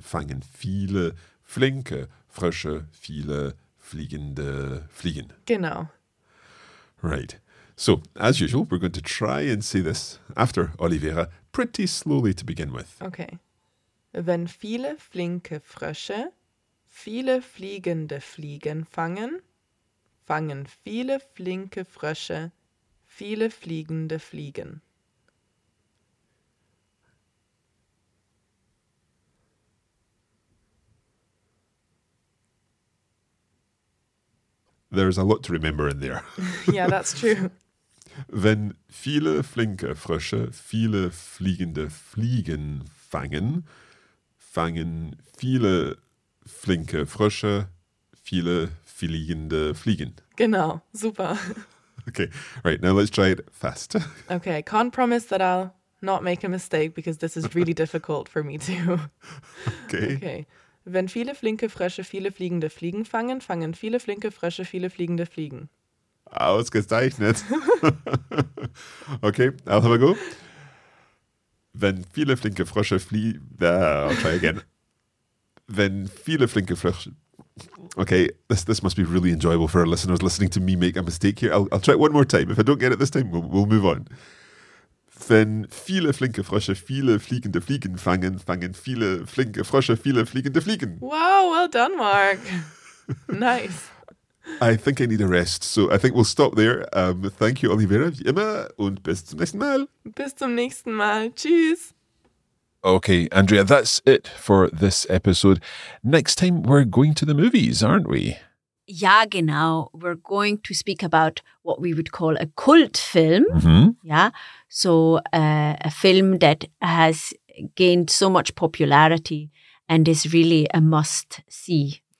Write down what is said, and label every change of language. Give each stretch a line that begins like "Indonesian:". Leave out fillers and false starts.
German: Fangen viele flinke frösche viele fliegende fliegen. Genau.
English: Right. So as usual, we're going to try and say this after Oliveira pretty slowly to begin with. Okay.
German: Wenn viele flinke frösche viele fliegende Fliegen fangen, fangen viele flinke Frösche viele fliegende Fliegen.
English: There's a lot to remember in there. Yeah, that's true.
German: Wenn viele flinke Frösche viele fliegende Fliegen fangen, fangen viele flinke Frösche, viele fliegende Fliegen. Genau, super.
English: Okay, right, now let's try it fast. Okay, I can't promise that I'll not make a mistake because this is really difficult for me too. Okay. Okay.
German: Wenn viele flinke Frösche viele fliegende Fliegen fangen, fangen viele flinke Frösche viele fliegende Fliegen.
English: Ausgezeichnet. Okay, I'll have a go.
German: Wenn viele flinke Frösche
English: I'll try again.
German: Wenn viele flinke Frösche.
English: Okay, this must be really enjoyable for our listeners listening to me make a mistake here. I'll try it one more time. If I don't get it this time, we'll move on.
German: Wenn viele flinke Frösche viele fliegende Fliegen fangen, fangen viele flinke Frösche viele fliegende Fliegen.
English: Wow, well done, Mark. Nice. I think I need a rest, so I think we'll stop there. Thank you,
German: Oliveira, wie immer, und bis zum nächsten Mal. Bis zum nächsten Mal. Tschüss.
English: Okay, Andrea, that's it for this episode. Next time, we're going to the movies, aren't we?
German: Ja, genau.
English: We're going to speak about what we would call a cult film. Mm-hmm. Yeah, so a film that has gained so much popularity and is really a must-see.